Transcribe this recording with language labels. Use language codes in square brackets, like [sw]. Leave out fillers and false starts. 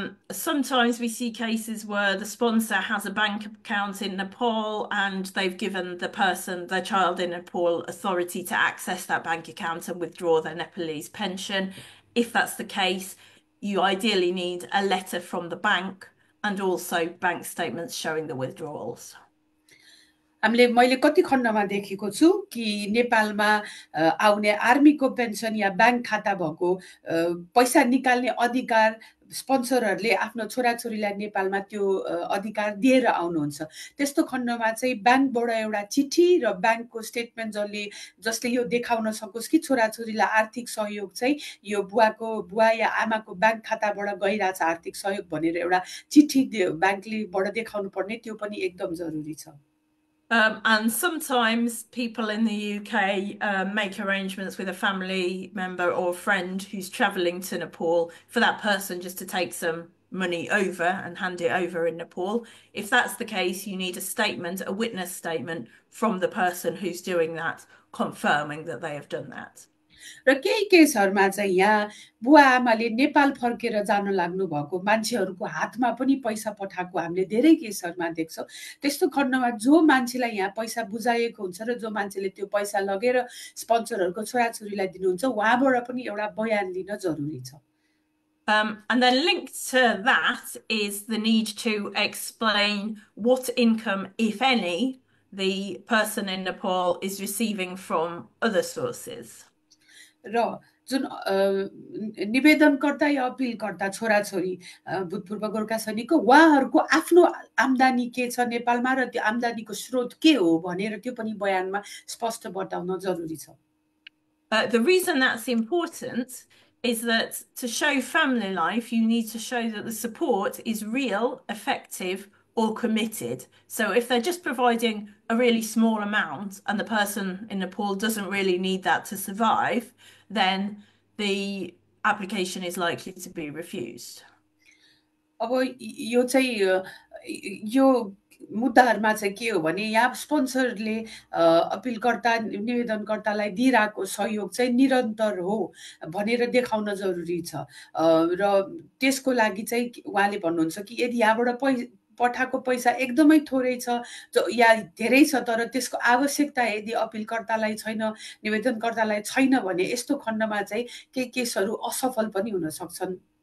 [en] Sometimes we see cases where the sponsor has a bank account in Nepal and they've given the person, the child in Nepal, authority to access that bank account and withdraw their Nepalese pension. If that's the case, you ideally need a letter from the bank and also bank statements showing the withdrawals. [ne] हामीले मैले कति खण्डमा देखेको छु कि नेपालमा आउने आर्मीको पेन्सन या ब्याङ्क खाता भएको पैसा निकाल्ने अधिकार स्पोन्सरहरूले आफ्नो छोराछोरीलाई नेपालमा त्यो अधिकार दिएर आउनुहुन्छ। त्यस्तो खण्डमा चाहिँ ब्याङ्कबाट एउटा चिठी र ब्याङ्कको स्टेटमेन्ट जसले यो देखाउन सकोस् कि छोराछोरीलाई आर्थिक सहयोग चाहिँ यो बुवाको बुवा या आमाको ब्याङ्क खाताबाट गइरहेछ आर्थिक सहयोग भनेर एउटा चिठी ब्याङ्कलेबाट देखाउनु पर्ने त्यो पनि एकदम जरुरी छ। [en] And sometimes people in the UK make arrangements with a family member or friend who's travelling to Nepal for that person just to take some money over and hand it over in Nepal. If that's the case, you need a statement, a witness statement from the person who's doing that, confirming that they have done that. [ne] र केही केसहरूमा चाहिँ यहाँ बुवा आमाले नेपाल फर्केर जानु लाग्नु भएको मान्छेहरूको हातमा पनि पैसा पठाएको हामीले धेरै केसहरूमा देख्छौँ। त्यस्तो खण्डमा जो मान्छेलाई यहाँ पैसा बुझाएको हुन्छ र जो मान्छेले त्यो पैसा लगेर स्पन्सरहरूको छोराछोरीलाई दिनुहुन्छ, उहाँबाट पनि एउटा बयान लिन जरुरी छ। [en] And then linked to that is the need to explain what income, if any, the person in Nepal is receiving from other sources. [ne] र जुन निवेदनकर्ता या अपिलकर्ता छोराछोरी भूतपूर्व गोर्खा सैनिकको उहाँहरूको आफ्नो आम्दानी के छ नेपालमा र त्यो आम्दानीको स्रोत के हो भनेर त्यो पनि बयानमा स्पष्ट बताउन जरुरी छ। [en] The reason that's important is that to show family life, you need to show that the support is real, effective, or committed. So if they're just providing a really small amount and the person in Nepal doesn't really need that to survive, then the application is likely to be refused. [ne] अब यो चाहिँ यो मुद्दाहरूमा चाहिँ के हो भने यहाँ स्पोन्सरले अपिलकर्ता निवेदनकर्तालाई दिइरहेको सहयोग चाहिँ निरन्तर हो भनेर देखाउन जरुरी छ र त्यसको लागि चाहिँ उहाँले भन्नुहुन्छ कि यदि यहाँबाट पठाएको पैसा एकदमै थोरै छ या धेरै छ तर त्यसको आवश्यकता यदि अपिलकर्तालाई छैन निवेदनकर्तालाई छैन भने यस्तो खण्डमा चाहिँ केही केसहरू असफल पनि हुन सक्छन्।